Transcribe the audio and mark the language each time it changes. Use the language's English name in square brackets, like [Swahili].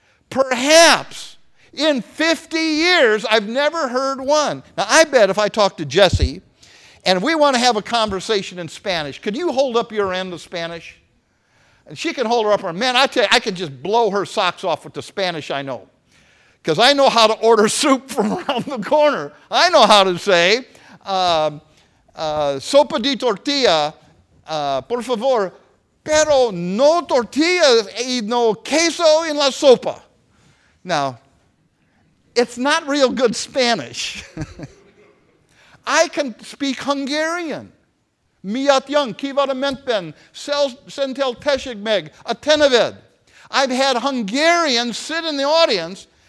[English] Perhaps in 50 years, I've never heard one. Now, I bet if I talk to Jesse and we want to have a conversation in Spanish, could you hold up your end of Spanish? And she can hold her up. Man, I tell you, I could just blow her socks off with the Spanish I know. Because I know how to order soup from around the corner. I know how to say, [Spanish] sopa de tortilla, por favor, pero no tortillas y no queso en la sopa. [English] Now, it's not real good Spanish. I can speak Hungarian. Miat young, kivat amentben, sentel tesig meg, ateneved. I've had Hungarians sit in the audience.